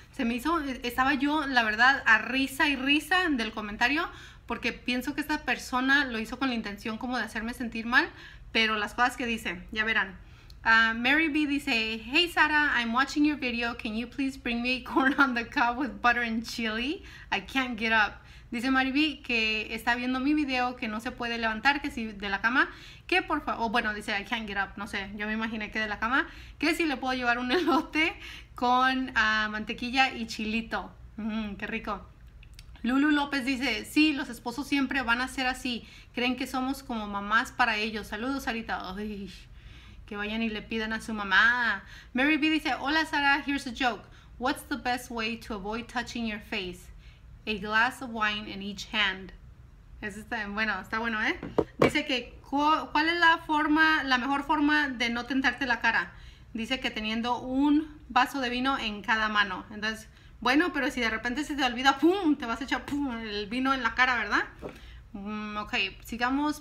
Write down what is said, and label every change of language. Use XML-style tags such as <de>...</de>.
<es>Se me hizo, estaba yo, la verdad, a risa y risa del comentario, porque pienso que esta persona lo hizo con la intención como de hacerme sentir mal, pero las cosas que dice, ya verán.</es> <en>Mary B dice, hey Sara, I'm watching your video. Can you please bring me corn on the cob with butter and chili? I can't get up.</en> <es>Dice Mariby que está viendo mi video, que no se puede levantar, que si de la cama, que por favor, bueno, dice,</es> <en>I can't get up,</en> <es>no sé, yo me imaginé que de la cama, que si le puedo llevar un elote con mantequilla y chilito. Qué rico. Lulu López dice, sí, los esposos siempre van a ser así, creen que somos como mamás para ellos. Saludos, Sarita. Uy, que vayan y le pidan a su mamá.</es> <en>Mary B dice, hola Sara, here's a joke. What's the best way to avoid touching your face? A glass of wine in each hand.</en> <es>Eso está bueno, está bueno, ¿eh? Dice que, ¿cuál es la mejor forma de no tentarte la cara? Dice que teniendo un vaso de vino en cada mano. Entonces, bueno, pero si de repente se te olvida, ¡pum! Te vas a echar, ¡pum! El vino en la cara, ¿verdad? Ok, sigamos.</es>